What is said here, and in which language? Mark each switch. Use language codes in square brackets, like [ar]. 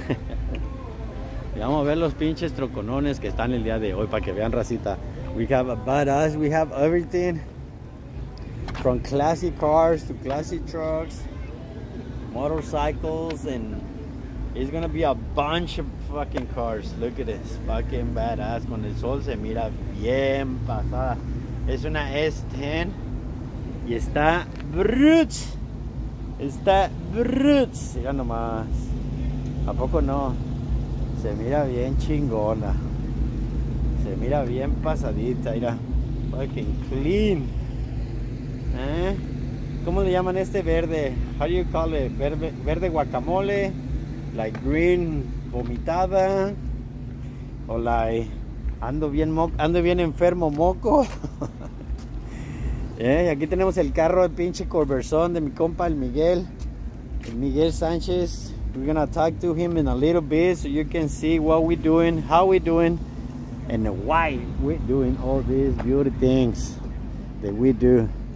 [es] Y vamos a ver los pinches troconones que están el día de hoy para que vean, racita. [en] We have a badass, we have everything. From classic cars to classic trucks, motorcycles, and it's gonna be a bunch of fucking cars. Look at this, fucking badass. [es] Con el sol se mira bien pasada. Es una S10 y está brut. Está brut. Mira nomás. ¿A poco no? Se mira bien chingona. Se mira bien pasadita. Mira, [en] fucking clean. [es] ¿Eh? ¿Cómo le llaman este verde? [en] How do you call it? [es] Verde guacamole, [en] like green [es] vomitada. Hola, ando bien enfermo, moco. Aquí tenemos el carro, el pinche Corberzón de mi compa, el Miguel Sánchez. [en] We're gonna talk to him in a little bit so you can see what we're doing, how we're doing, and why we're doing all these beauty things that we do.